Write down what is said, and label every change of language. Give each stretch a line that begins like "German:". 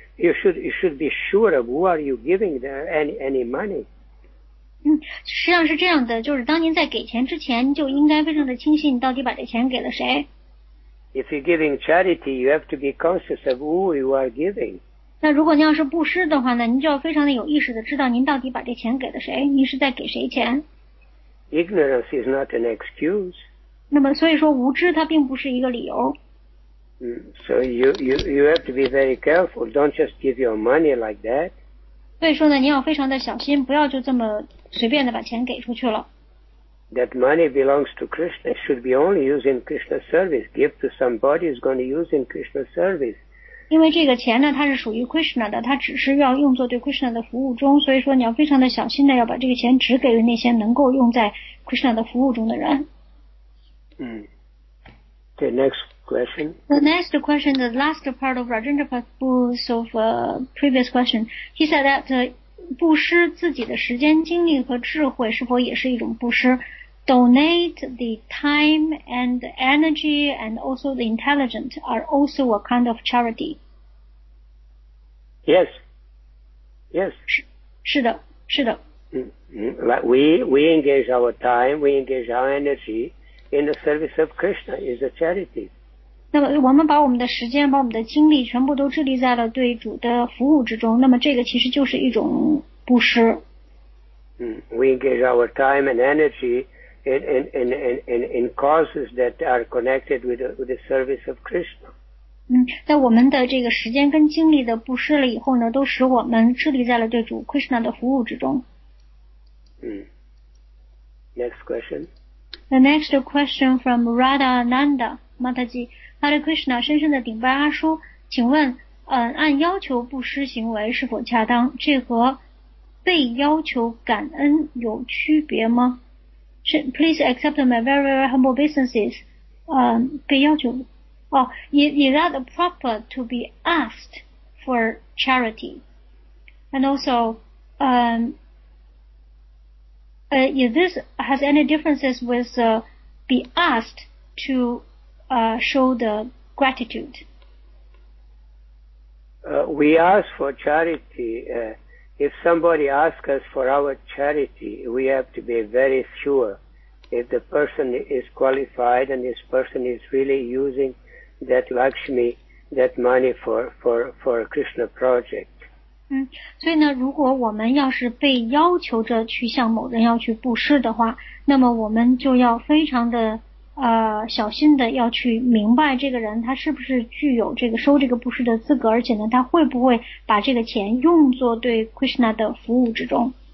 English: You should be sure of who are you giving any money.
Chinese: 实际上是这样的，就是当您在给钱之前就应该非常的清晰你到底把这钱给了谁。
English: If you're giving charity, you have to be conscious of who you are giving.
Chinese: 那如果您要是布施的话呢，您就要非常的有意识的知道您到底把这钱给了谁，您是在给谁钱。
English: Ignorance is not an excuse.
Chinese: 那么所以说无知它并不是一个理由。
English: So you have to be very careful. Don't just give your money like that.
Chinese: 所以说呢，您要非常的小心，不要就这么随便的把钱给出去了。
English: That money belongs to Krishna, should be only used in Krishna service. Give to somebody who's going to use in Krishna service.
Chinese: 因为这个钱呢，它是属于 Krishna 的，它只是要用作对 Krishna 的服务中，所以说你要非常的小心的要把这个钱只给那些能够用在 Krishna 的服务中的人。
English: The next question. The next question, the last part of Rajendra Prabhu's previous question. He said that
Chinese: 布施自己的时间、精力和智慧是否也是一种布施
English: ？Donate the time and the energy and also the intelligent are also a kind of charity. Yes. Yes.
Chinese: 是的。
English: We engage our time, we engage our energy. In the service of Krishna is a charity.
Chinese: 那么我们把我们的时间、把我们的精力全部都致力在了对主的服务之中，那么这个其实就是一种布施。
English: We engage our time and energy in causes that are connected with the service of Krishna.
Chinese: 在我们的这个时间跟精力的布施了以后呢，都使我们致力在了对主 Krishna 的服务之中。
English: Next question. The next question from Radha Nanda Mataji.
Chinese: Hare Krishna, 深深的顶拜阿叔，请问，按要求布施行为是否恰当？这和被要求感恩有区别吗？
English: 是 ，Please accept my very, very humble obeisances.
Chinese: 被要求，哦
English: ，Is that proper to be asked for charity? And also, is this has any differences with be asked to show the gratitude? We ask for charity. If somebody asks us for our charity, we have to be very sure if the person is qualified and this person is really using that Lakshmi, that money for Krishna project.
Chinese: 所以呢，如果我们要是被要求着去向某人要去布施的话，那么我们就要非常的小心的要去明白这个人他是不是具有这个收这个布施的资格，而且呢他会不会把这个钱用作对 Krishna 的服务之中。